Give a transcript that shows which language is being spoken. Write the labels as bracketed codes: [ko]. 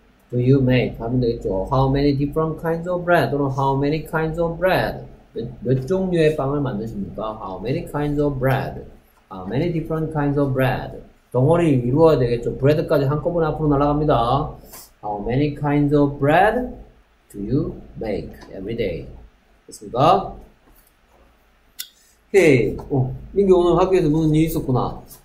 [en] Do you make? 하면 되겠죠. How many different kinds of bread? 또는 how many kinds of bread? [ko] 몇 종류의 빵을 만드십니까? [en] How many kinds of bread? How many different kinds of bread? [ko] 덩어리 이루어야 되겠죠. 브레드까지 한꺼번에 앞으로 날아갑니다. [en] How many kinds of bread do you make every day? [ko] 됐습니까? 오케이. 민규 오늘 학교에서 무슨 일이 있었구나.